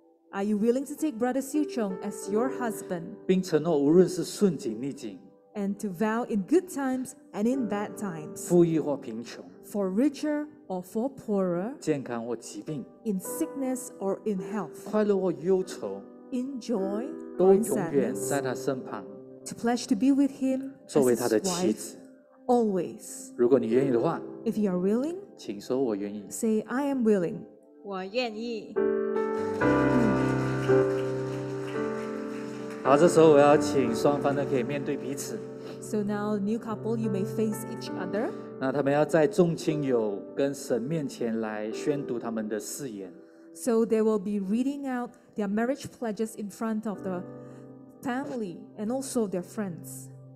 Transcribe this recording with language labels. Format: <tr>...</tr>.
<en>？Are you willing to take Brother Siu Cheng as your husband?</en> <zh>并承诺无论是顺境逆境。</zh> <en>And to vow in good times and in bad times.</en> <zh>富裕或贫穷。</zh> <en>For richer. Or for poorer,</en> <zh>健康或疾病</zh> <en>in sickness or in health,</en> <zh>快乐或忧愁</zh> <en>in joy,</en> <zh>都永远在他身旁</zh> <en>to pledge to be with him,</en> <zh>作为他的妻子</zh> <en>always.</en> <zh>如果你愿意的话</zh> <en>if you are willing,</en> <zh>请说我愿意</zh> <en>say I am willing.</en> <zh>我愿意好，这时候我要请双方都可以面对彼此</zh> <en>So now, new couple, you may face each other.</en> <zh>那他们要在众亲友跟神面前来宣读他们的誓言。</zh> <en>So they will be reading out their marriage pledges in front of the family and also their friends.</en>